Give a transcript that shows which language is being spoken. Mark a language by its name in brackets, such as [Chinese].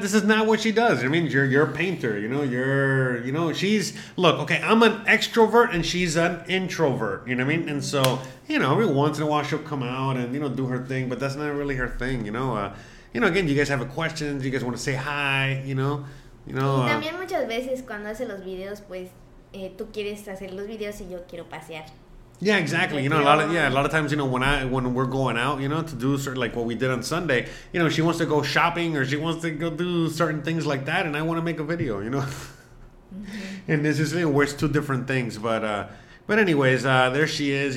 [English] This is not what she does. I mean, you're a painter. You know, she's. Look, okay, I'm an extrovert and she's an introvert. You know what I mean? And so, you know, every once in a while she'll come out and, you know, do her thing, but that's not really her thing. You know, again, you guys have a question. You guys want to say hi. You know. [Spanish] Y también muchas veces cuando hace los videos, pues, tú quieres hacer los videos y yo quiero pasear. [English] Yeah, exactly. You know, a lot of times, you know, when we're going out, you know, to do certain, like what we did on Sunday, you know, she wants to go shopping or she wants to go do certain things like that, and I want to make a video, you know. And this is, you know, it's two different things, but anyways, there she is.